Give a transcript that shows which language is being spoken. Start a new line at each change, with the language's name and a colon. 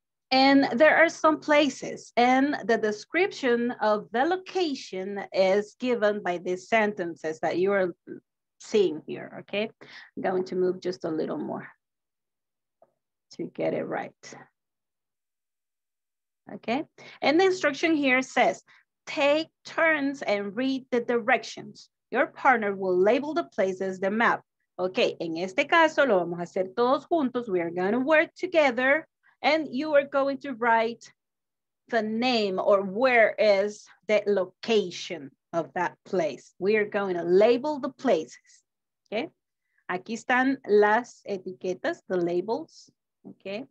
English: And there are some places, and the description of the location is given by these sentences that you are seeing here, okay? I'm going to move just a little more to get it right. Okay, and the instruction here says, take turns and read the directions. Your partner will label the places the map.
Spanish: Okay, en este caso lo vamos a hacer todos juntos.
English: We are gonna work together. And you are going to write the name or where is the location of that place. We are going to label the places, okay?
Spanish: Aquí están las etiquetas,
English: the labels, okay?